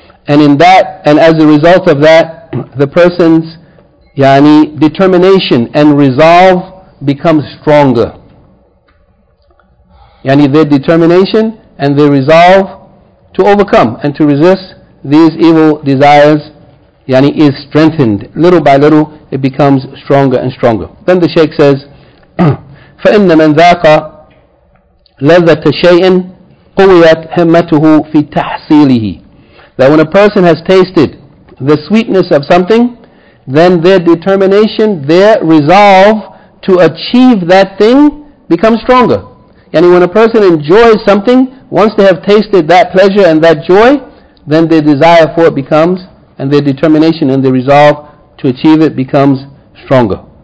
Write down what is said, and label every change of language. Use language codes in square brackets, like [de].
[en] And in that, and as a result of that, the person's yani determination and resolve becomes stronger. Yani their determination and their resolve to overcome and to resist these evil desires yani is strengthened little by little. It becomes stronger and stronger. Then the Shaykh says, [ar] فَإِنَّ مَنْ ذَاقَ لَذَّةَ شَيْءٍ قُوِيَتْ هَمَّتُهُ فِي تَحْصِيلِهِ. [en] That when a person has tasted the sweetness of something, then their determination, their resolve to achieve that thing becomes stronger. Yani when a person enjoys something, once they have tasted that pleasure and that joy, then their desire for it becomes, and their determination and their resolve to achieve it becomes stronger.